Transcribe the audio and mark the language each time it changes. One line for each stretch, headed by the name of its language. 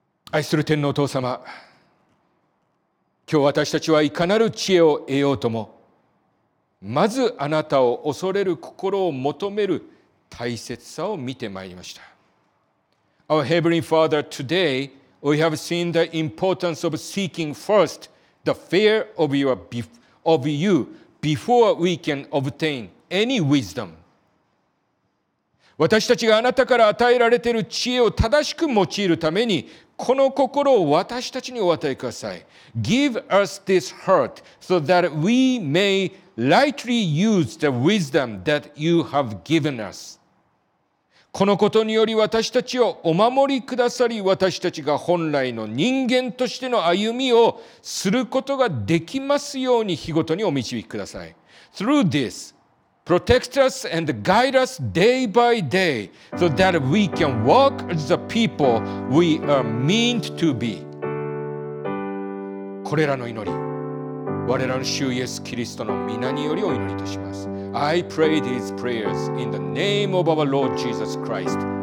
Japanese: 愛する天のお父様、今日私たちはいかなる知恵を得ようともまずあなたを恐れる心を求める大切さを見てまいりました。
English: Our Heavenly Father, today we have seen the importance of seeking first the fear of you before we can obtain any wisdom.
Japanese: 私たちがあなたから与えられている知恵を正しく用いるためにこの心を私たちにお与えください。
English: Give us this heart so that we may lightly use the wisdom that you have given us.
Japanese: このことにより私たちをお守りくださり、私たちが本来の人間としての歩みをすることができますように日ごとにお導きください。
English: Through this, protect us and guide us day by day so that we can walk as the people we are meant to be.
Japanese: これらの祈り、我らの主イエス・キリストの御名によりお祈りいたします。
English: I pray these prayers in the name of our Lord Jesus Christ.